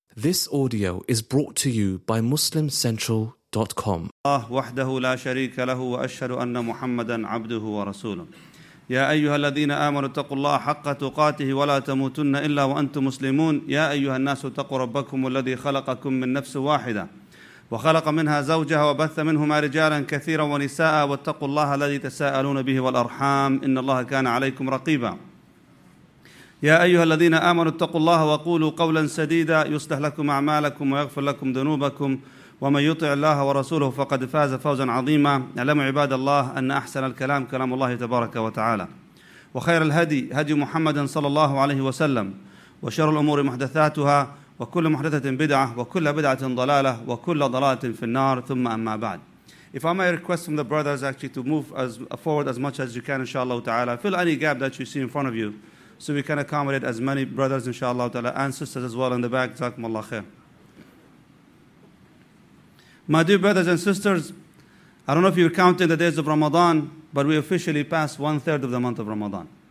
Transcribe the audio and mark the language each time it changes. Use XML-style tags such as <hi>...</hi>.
<en>This audio is brought to you by MuslimCentral.com.</en> <ar>الله وحده لا شريك له وأشهد أن محمدا عبده ورسوله. يا أيها الذين آمنوا اتقوا الله حق تقاته ولا تموتن إلا وأنتم مسلمون. يا أيها الناس اتقوا ربكم الذي خلقكم من نفس واحدة وخلق منها زوجها وبث منهما رجالا كثيرا ونساء واتقوا الله الذي تساءلون به والأرحام إن الله كان عليكم رقيبا. يا أيها الذين آمنوا اتقوا الله وقولوا قولا سديدا يصلح لكم أعمالكم ويغفر لكم ذنوبكم ومن يطع الله ورسوله فقد فاز فوزا عظيما. اعلموا عباد الله أن أحسن الكلام كلام الله تبارك وتعالى وخير الهدي هدي محمد صلى الله عليه وسلم وشر الأمور محدثاتها وكل محدثة بدعة وكل بدعة ضلالة وكل ضلالة في النار ثم أما بعد.</ar> <en>If I may request from the brothers actually to move as forward as much as you can inshallah ta'ala, fill any gap that you see in front of you so we can accommodate as many brothers inshallah ta'ala and sisters as well in the back. Jazakumullah khair. My dear brothers and sisters, I don't know if you're counting the days of Ramadan, but we officially passed 1/3 of the month of Ramadan.</en>